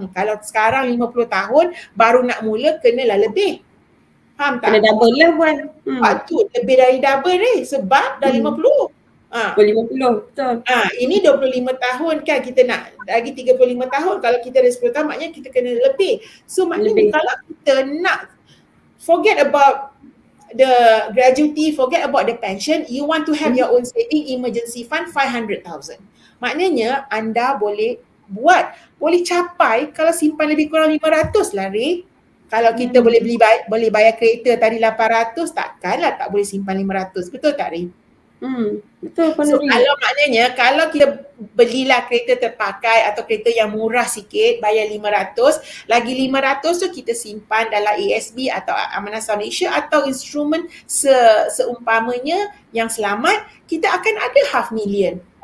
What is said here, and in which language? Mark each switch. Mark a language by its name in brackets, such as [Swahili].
[Malay] Kalau sekarang 50 tahun baru nak mula, kenalah lebih. Faham tak? Kena double lah Puan. Patut lebih dari double ni sebab dah 50. 50 betul. Ini 25 tahun kan kita nak, lagi 35 tahun. Kalau kita ada 10 tahun maknanya kita kena lebih. So maknanya lebih. Kalau kita nak [English] forget about the gratuity, forget about the pension, you want to have your own saving emergency fund RM500,000. [Malay] Maknanya anda boleh buat, boleh capai kalau simpan lebih kurang RM500 lah Ray. Kalau kita boleh beli, boleh bayar kereta tadi RM800, takkanlah tak boleh simpan RM500. Betul tak Ray? Betul, Puan So, Nuri. kalau maknanya, kalau kita belilah kereta terpakai atau kereta yang murah sikit, bayar RM500, lagi RM500 tu kita simpan dalam ASB atau Amanah Sound Asia atau instrumen seumpamanya yang selamat, kita akan ada half million.